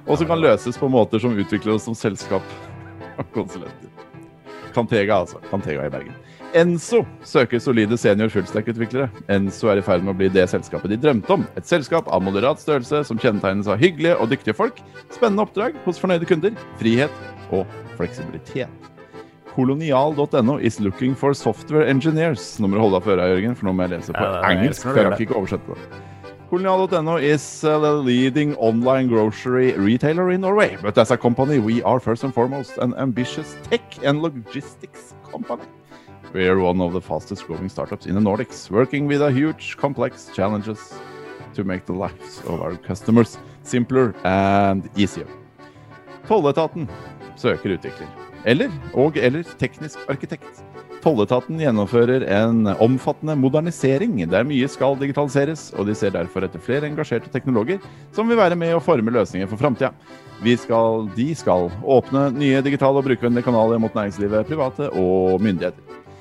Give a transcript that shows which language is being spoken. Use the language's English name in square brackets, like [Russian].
[Norwegian] Og som kan løses på måter som utvikler oss som selskap og konsulenter. Kantega altså, Kantega i Bergen. Enso søker solide senior fullstack-utviklere. Enso i ferd med å bli det selskapet de drømte om. Et selskap av moderat størrelse som kjennetegnes av hyggelige og dyktige folk. Spennende oppdrag hos fornøyde kunder, frihet og fleksibilitet. [English] Kolonial.no is looking for software engineers. [Norwegian] Nå må du holde deg for øra, Jørgen, for nå må jeg lese på engelsk, for jeg har ikke oversett det. [English] Kolonial.no is the leading online grocery retailer in Norway. But as a company, we are first and foremost an ambitious tech and logistics company. We are one of the fastest growing startups in the Nordics, working with a huge complex challenges to make the lives of our customers simpler and easier. [Norwegian] Tolletaten søker utvikling. Eller teknisk arkitekt. Tolletaten gjennomfører en omfattende modernisering der mye skal digitaliseres, og de ser derfor etter flere engasjerte teknologer som vil være med å forme løsninger for fremtiden. De skal åpne nye digitale og brukervennlige kanaler mot næringslivet, private og myndigheter.